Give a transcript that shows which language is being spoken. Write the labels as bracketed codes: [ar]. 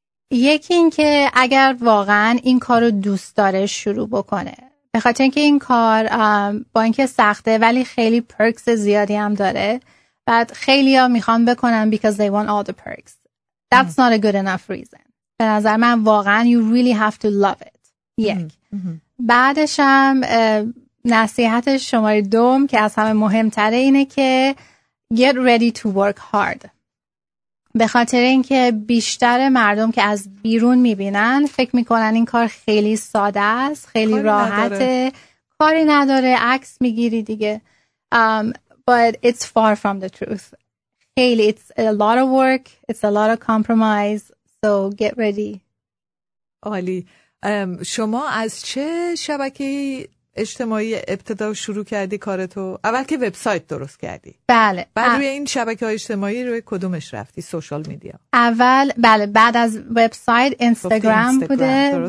[fa] یکی این که اگر واقعا این کار رو دوست داره شروع بکنه، به خاطر اینکه این کار با اینکه سخته ولی خیلی پرکس زیادی هم داره. بعد خیلی ها میخوان بکنن [en] because they want all the perks. That's not a good enough reason. [fa] به نظر من واقعا [en] you really have to love it. [fa] یک. بعدش هم نصیحت شماره دوم که از همه مهمتره اینه که [en] get ready to work hard. [fa] به خاطر اینکه بیشتر مردم که از بیرون میبینن فکر میکنن این کار خیلی ساده است، خیلی راحته، کاری نداره، عکس میگیری دیگه. [en] But it's far from the truth. [fa] خیلی [en] it's a lot of work, it's a lot of compromise. So get ready. [fa] عالی. شما از چه شبکه اجتماعی ابتدا شروع کردی کارتو؟ اول که وبسایت درست کردی؟ بله. بعد روی این شبکه های اجتماعی روی کدومش رفتی؟ سوشال میدیا؟ اول بله، بعد از وبسایت اینستاگرام بوده.